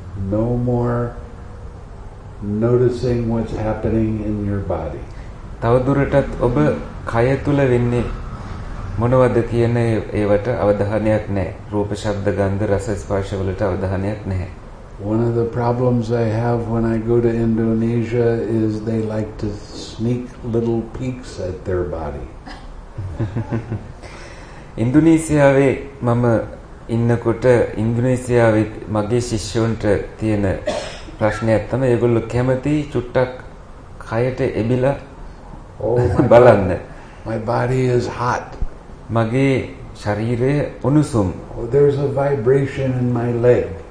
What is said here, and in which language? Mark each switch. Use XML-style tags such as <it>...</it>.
<en>No more noticing what's happening in your body.</en> <si>තවදුරටත් ඔබ කය තුල වෙන්නේ මොනවද කියන ඒවට අවධානයක් නැහැ. රූප, ශබ්ද, ගන්ධ, රස, ස්පර්ශ වලට අවධානයක් නැහැ.</si> <en>One of the problems I have when I go to Indonesia is they like to sneak little peeks at their body.</en> <si>ඉන්දුනීසියාවේ මම ඉන්නකොට ඉන්දුනීසියාවේ මගේ ශිෂ්‍යයන්ට තියෙන ප්‍රශ්නයක් තමයි ඒගොල්ලෝ කැමති චුට්ටක් කයට එබිලා බලන්න.</si> <en>My body is hot.</en> <si>මගේ ශරීරය උණුසුම්.</si> <en>Oh, there's a vibration in my leg.</en>